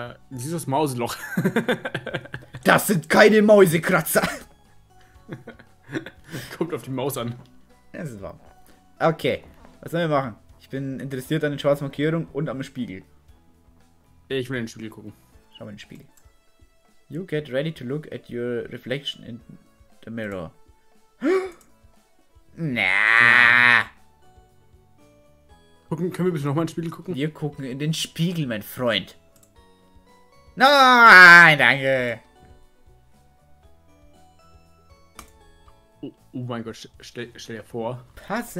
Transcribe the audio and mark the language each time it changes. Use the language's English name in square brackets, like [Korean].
[German] Dieses Mausloch. Das sind keine Mäusekratzer. Kommt auf die Maus an. Es ist warm. Okay, was sollen wir machen? Ich bin interessiert an den schwarzen Markierungen und am Spiegel. Ich will in den Spiegel gucken. Schau mal in den Spiegel. [English] You get ready to look at your reflection in the mirror. Nah. [German] Gucken, können wir bitte nochmal in den Spiegel gucken? Wir gucken in den Spiegel, mein Freund. Nein, danke. Oh mein Gott, stell dir vor, Passe.